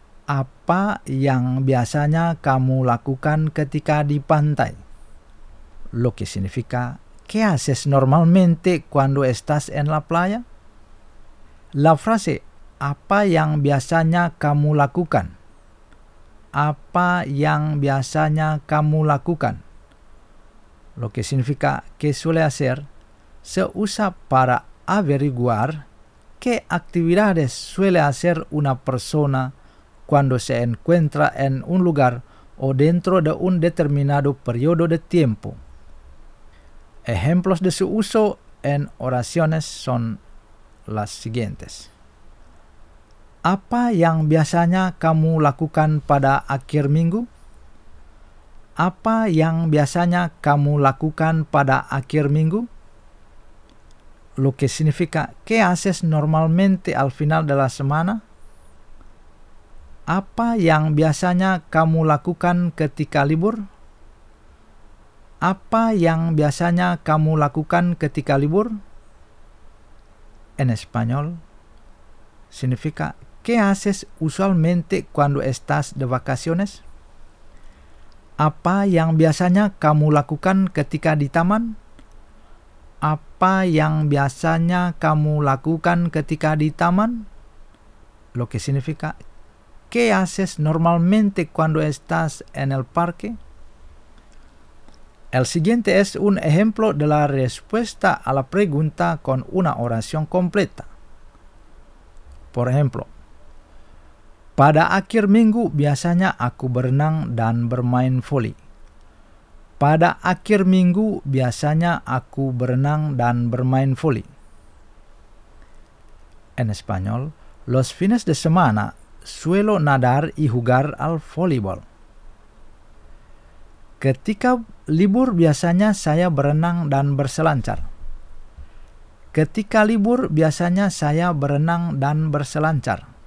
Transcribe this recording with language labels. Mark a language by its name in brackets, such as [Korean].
[Indonesian] Apa yang biasanya kamu lakukan ketika di pantai? [Spanish] Lo que significa, ¿qué haces normalmente cuando estás en la playa? La frase, [Indonesian] ¿apa yang biasanya kamu lakukan? Apa yang biasanya kamu lakukan? [Spanish] Lo que significa, ¿qué suele hacer? Se usa para averiguar qué actividades suele hacer una persona cuando se encuentra en un lugar o dentro de un determinado periodo de tiempo. Ejemplos de su uso en oraciones son las siguientes. [Indonesian] ¿Apa yang biasanya kamu lakukan pada akhir minggu? ¿Apa yang biasanya kamu lakukan pada akhir minggu? [Spanish] Lo que significa, ¿qué haces normalmente al final de la semana? [Indonesian] ¿Apa yang biasanya kamu lakukan ketika libur? ¿Apa yang biasanya kamu lakukan ketika libur? [Spanish] En español, significa, ¿qué haces usualmente cuando estás de vacaciones? [Indonesian] ¿Apa yang biasanya kamu lakukan ketika di taman? ¿Apa yang biasanya kamu lakukan ketika di taman? [Spanish] Lo que significa, ¿qué haces normalmente cuando estás en el parque? El siguiente es un ejemplo de la respuesta a la pregunta con una oración completa. Por ejemplo, [Indonesian] pada akhir minggu biasanya aku berenang dan bermain voli. Pada akhir minggu biasanya aku berenang dan bermain voli. [Spanish] En español, los fines de semana suelo nadar y jugar al voleibol. [Indonesian] Ketika libur biasanya saya berenang dan berselancar. Ketika libur biasanya saya berenang dan berselancar.